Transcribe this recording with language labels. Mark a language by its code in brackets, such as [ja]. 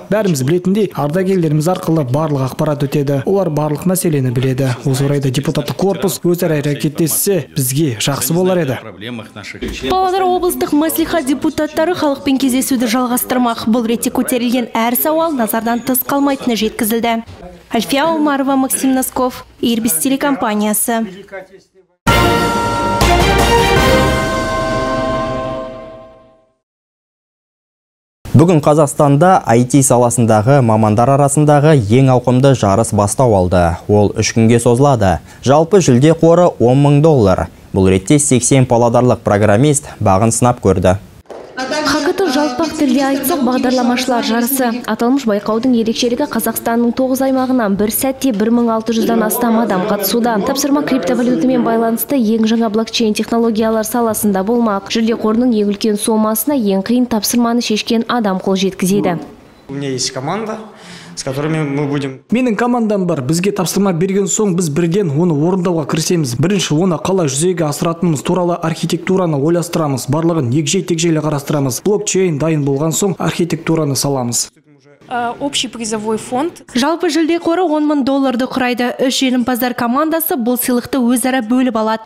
[kk] Бәріміз білетіндей ардагерлеріміз арқылы барлық ақпарат өтеді. Олар барлық мәселені біледі. Осы орайда депутаттық корпус өзара әрекеттессе бізге жақсы болар еді. Павлодар облыстық мәслихат депутаттары халықпен кездесуді жалғастырмақ. Бұл ретте көтерілген әр сауал назардан тыс қалмайтыны жеткізілді. Альфия Омарова, Максим Носков, Ербис телекомпаниясы. Бүгін Қазақстанда IT саласындағы мамандар арасындағы ең ауқымды жарыс бастау алды. Ол 3 күнге созылады. Жалпы жүлде қоры 10 мың доллар. Бұл ретте 80 павлодарлық программист бағын сынап көрді. Хакаты жалпақ тілде айтсақ, бағдарламашылар жарысы. Аталмыш байқаудың ерекшелігі Қазақстанның 9 аймағынан бір сәтте 1600-дан астам адам қатысуда. Тапсырма криптовалютамен байланысты ең жаңа блокчейн технологиялар саласында болмақ. Жүлде қорының ең үлкен сомасына ең қиын тапсырманы шешкен адам қол жеткізеді. [ru] У меня есть команда, с которыми мы будем. [kk] Менің командам бар. Бізге тапсырма берген соң біз бірден оны орындауға кірісеміз. Бірінші оны қалай жүзеге асыратынымыз туралы архитектураны ойластырамыз. Барлығын егжей-тегжейлі қарастырамыз. Блокчейн дайын болған соң архитектураны саламыз. [ru] Общий призовой фонд. [kk] Жалпы жүлде қоры 10 мың долларды құрайды. Үш жеңімпаздар командасы бұл сыйлықты өзара бөліп алады.